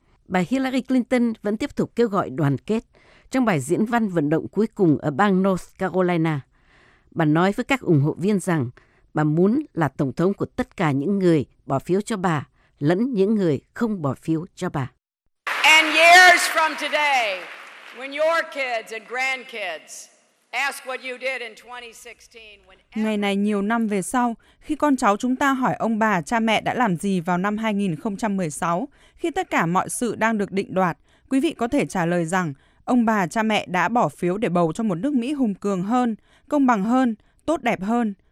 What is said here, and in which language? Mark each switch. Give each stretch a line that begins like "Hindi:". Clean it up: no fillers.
Vietnamese: Bà Hillary Clinton vẫn tiếp tục kêu gọi đoàn kết trong bài diễn văn vận động cuối cùng ở bang North Carolina. Bà nói với các ủng hộ viên rằng bà muốn là tổng thống của tất cả những người bỏ phiếu cho bà, lẫn những người không bỏ phiếu cho bà.
English: And years from today, when your kids and grandkids ask what you did in 2016, when
Vietnamese: ngày này nhiều năm về sau, khi con cháu chúng ta hỏi ông bà cha mẹ đã làm gì vào năm 2016, khi tất cả mọi sự đang được định đoạt, quý vị có thể trả lời rằng ông bà cha mẹ đã bỏ phiếu để bầu cho một nước Mỹ hùng cường hơn, công bằng hơn, tốt đẹp hơn.